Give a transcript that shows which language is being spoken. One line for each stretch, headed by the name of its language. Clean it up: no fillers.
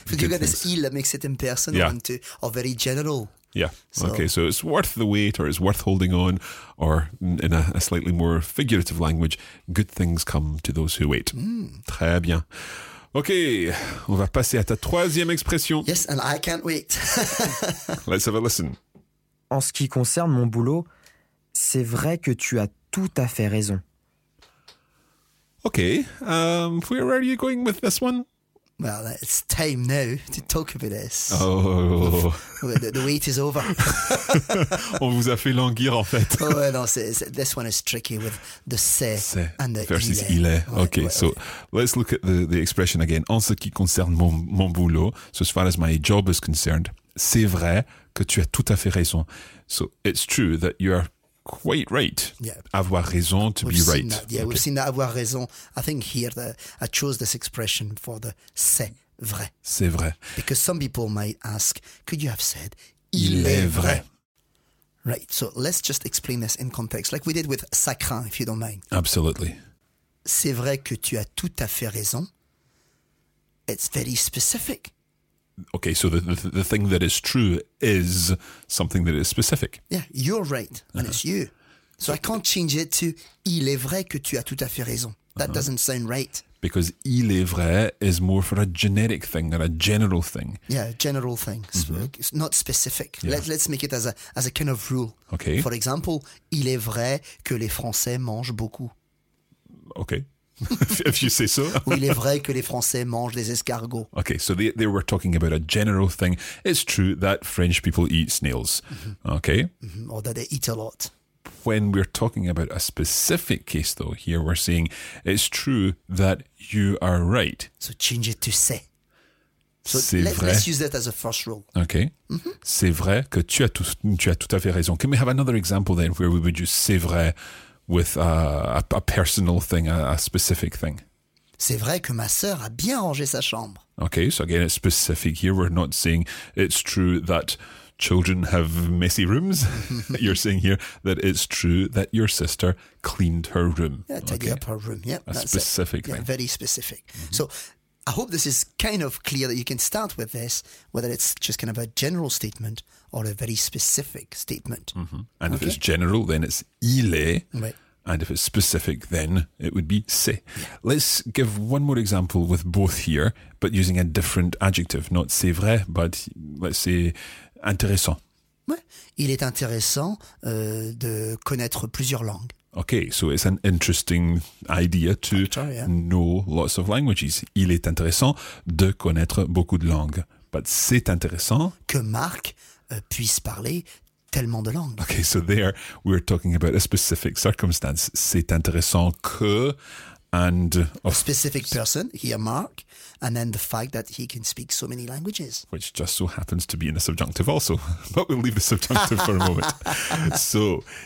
English: If you've got this il that makes it impersonal or very general. Yeah. Okay. So it's worth the wait, or it's worth holding on, or in a slightly more figurative language, good things come to those who wait. Mm.
French: Très bien. Okay. On va passer à ta troisième expression.
English: Yes, and I can't wait. Let's have a listen.
French: En ce qui concerne mon boulot, c'est vrai que tu as tout à fait raison.
English: Okay. Where are you going with this one? Well, it's time now to talk about this. Oh. The wait is over.
French: On vous a fait languir, en fait.
English: Oh, well, non, this one is tricky with the c'est and the versus il est. Okay, so let's look at the expression again.
French: En ce qui concerne mon boulot,
English: so as far as my job is concerned,
French: c'est vrai que tu as tout à fait raison.
English: So it's true that you are quite right. Yeah.
French: Avoir raison,
English: to we've be right. That. Yeah, okay. We've seen that avoir raison. I think here that I chose this expression for the c'est vrai.
French: C'est vrai.
English: Because some people might ask, could you have said,
French: il est vrai.
English: Right, so let's just explain this in context, like we did with ça craint, if you don't mind. Absolutely.
French: C'est vrai que tu as tout à fait raison.
English: It's very specific. Okay, so the thing that is true is something that is specific. Yeah, you're right, and uh-huh. It's you. So I can't change it to
French: il est vrai que tu as tout à fait raison.
English: That uh-huh. doesn't sound right. Because il est vrai is more for a generic thing than a general thing. Yeah, general thing, mm-hmm. not specific. Yeah. Let's make it as a kind of rule. Okay.
French: For example, il est vrai que les Français mangent beaucoup.
English: Okay. If you say so.
French: Oui, il est vrai que les Français mangent des escargots.
English: Okay, so they were talking about a general thing. It's true that French people eat snails. Mm-hmm. Okay. Mm-hmm. Or that they eat a lot. When we're talking about a specific case, though, here we're saying it's true that you are right. So change it to c'est. So c'est vrai. Let's use that as a first rule. Okay. Mm-hmm.
French: C'est vrai que tu as tout à fait raison.
English: Can we have another example then where we would use c'est vrai with a personal thing, a specific thing?
French: C'est vrai que ma sœur a bien rangé sa chambre.
English: Okay, so again, it's specific here. We're not saying it's true that children have messy rooms. You're saying here that it's true that your sister cleaned her room. Yeah, tidy okay. up her room, yeah. A that's specific it. Thing. Yeah, very specific. Mm-hmm. So I hope this is kind of clear that you can start with this, whether it's just kind of a general statement or a very specific statement. Mm-hmm. And okay. if it's general, then it's il est. Right. And if it's specific, then it would be c'est. Let's give one more example with both here, but using a different adjective. Not c'est vrai, but let's say intéressant.
French: Ouais. Il est intéressant de connaître plusieurs langues.
English: Okay, so it's an interesting idea to know lots of languages.
French: Il est intéressant de connaître beaucoup de langues. But c'est intéressant... Que Marc puisse parler tellement de langues.
English: Okay, so there we're talking about a specific circumstance.
French: C'est intéressant que... And
English: of a specific person, here Mark, and then the fact that he can speak so many languages. Which just so happens to be in the subjunctive also. But we'll leave the subjunctive for a moment. So...